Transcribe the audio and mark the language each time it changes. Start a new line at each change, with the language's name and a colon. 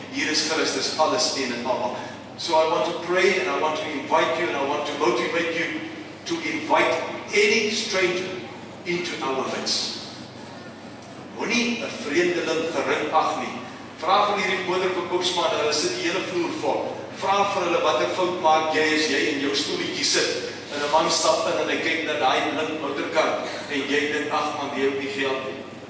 Afrikaans: Hier is Christus alles een en almal.
English: So I want to pray and I want to invite you and I want to motivate you to invite any stranger into our midst.
Afrikaans: Moenie 'n vreemdeling gering ag nie. Vra vir hierdie moederverkoopsman, hulle sit die hele vloer vol. Vra vir hulle watter fout maak jy as jy in jou stoeltjie sit. En 'n man stap in en hy kyk na daai blink motorkar en jy dink ag man, jy het nie geld nie.